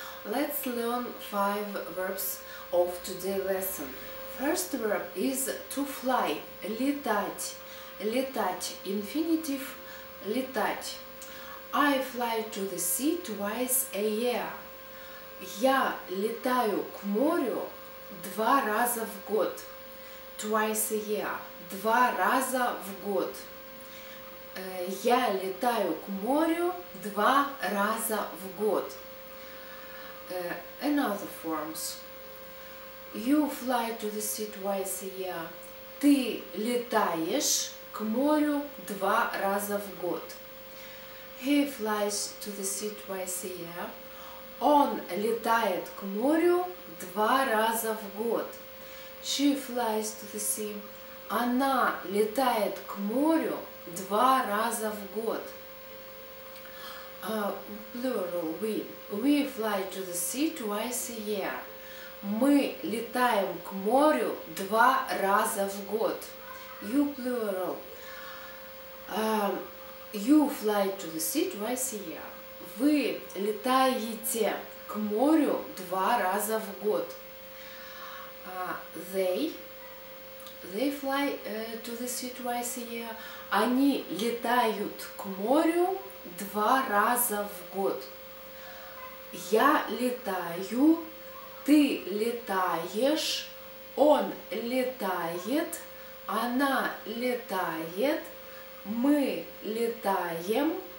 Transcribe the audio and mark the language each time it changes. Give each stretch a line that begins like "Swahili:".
English: Let's learn 5 verbs of today's lesson. First verb is to fly,
Russian: летать, летать,
English: infinitive, летать. I fly to the sea twice a year.
Russian: Я летаю к морю два раза в год.
English: Twice a year.
Russian: Два раза в год. Я летаю к морю два раза в год.
English: Another forms. You fly to the sea twice a year.
Russian: Ты летаешь к морю два раза в год.
English: He flies to the sea twice a year.
Russian: Он летает к морю два раза в год.
English: She flies to the sea.
Russian: Она летает к морю два раза в год.
English: Plural, we. We fly to the sea twice a year.
Russian: Мы летаем к морю два раза в год.
English: You plural. You fly to the sea twice a year.
Russian: Вы летаете к морю два раза в год.
English: They fly to the sea twice a year.
Russian: Они летают к морю два раза в год. Я летаю, ты летаешь, он летает, она летает, мы летаем.